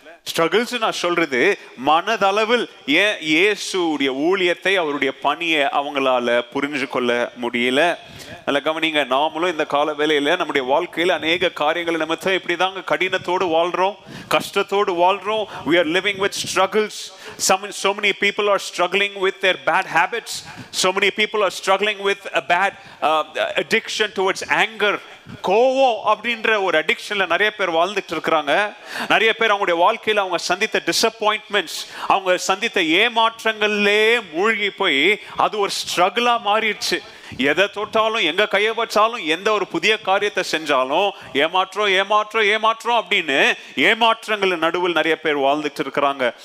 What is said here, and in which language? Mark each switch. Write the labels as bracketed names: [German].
[Tamil] Struggles நான் சொல்றது மனதளவில், ஏன் இயேசுடைய ஊழியத்தை அவருடைய பணியை அவங்களால புரிஞ்சு கொள்ள முடியல? நல்லா கவனிங்க, நாமளும் இந்த கால வேலையில நம்முடைய வாழ்க்கையில அநேக காரியங்களை நிமித்தம் இப்படிதாங்க கடினத்தோடு வாழ்றோம், கஷ்டத்தோடு வாழ்றோம். [English] We are living with struggles. So many people are struggling with their bad habits. So many people are struggling with a bad addiction towards anger. [Tamil] கோவம் அப்படின்ற ஒரு அடிக்ஷன்ல நிறைய பேர் வாழ்ந்துட்டு இருக்கிறாங்க. நிறைய பேர் அவங்களுடைய வாழ்க்கையில அவங்க சந்தித்த டிசப்பாயின்ட்மெண்ட்ஸ், அவங்க சந்தித்த ஏமாற்றங்கள்லே மூழ்கி போய் அது ஒரு ஸ்ட்ரகிளா மாறிடுச்சு. எதை தொட்டாலும், எங்க கையப்பட்டாலும், எந்த ஒரு புதிய காரியத்தை செஞ்சாலும் ஏமாற்றோம் ஏமாற்றோம் ஏமாற்றோம் அப்படின்னு ஏமாற்றங்கள் நடுவில் நிறைய பேர் வாழ்ந்துட்டு இருக்கிறாங்க.